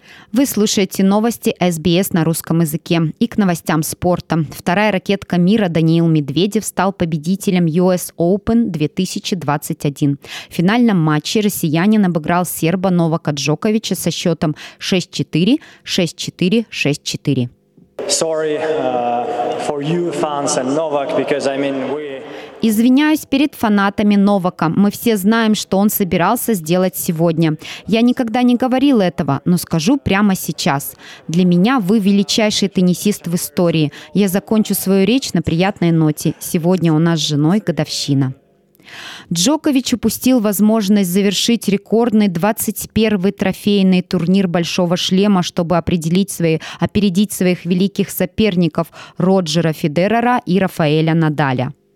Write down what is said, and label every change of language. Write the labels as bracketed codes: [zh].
[ru] Вы слушаете новости SBS на русском языке. И к новостям спорта. Вторая ракетка мира Даниил Медведев стал победителем US Open 2021. В финальном матче россиянин обыграл серба Новака Джоковича со счетом 6-4, 6-4, 6-4. [en] Sorry, for you fans and Novak, because I mean we... [ru] Извиняюсь перед фанатами Новака. Мы все знаем, что он собирался сделать сегодня. Я никогда не говорил этого, но скажу прямо сейчас. Для меня вы величайший теннисист в истории. Я закончу свою речь на приятной ноте. Сегодня у нас с женой годовщина. Джокович упустил возможность завершить рекордный 21-й трофейный турнир «Большого шлема», чтобы опередить своих великих соперников Роджера Федерера и Рафаэля Надаля.